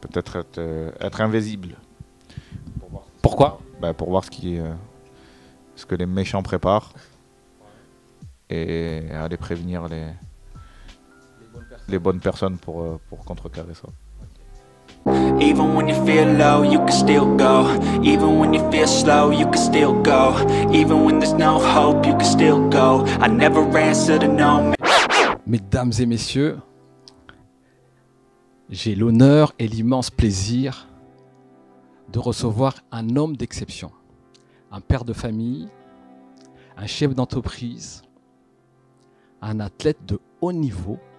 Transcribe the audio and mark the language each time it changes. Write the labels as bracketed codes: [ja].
[fr] Peut-être être invisible. Pourquoi ? Bah, pour voir ce que les méchants préparent et aller prévenir les bonnes personnes pour contrecarrer ça. [en] Even when you feel low, you can still go. Even when you feel slow, you can still go. Even when there's no hope, you can still go. I never answer to no. [fr] Mesdames et messieurs, j'ai l'honneur et l'immense plaisir de recevoir un homme d'exception, un père de famille, un chef d'entreprise, un athlète de haut niveau.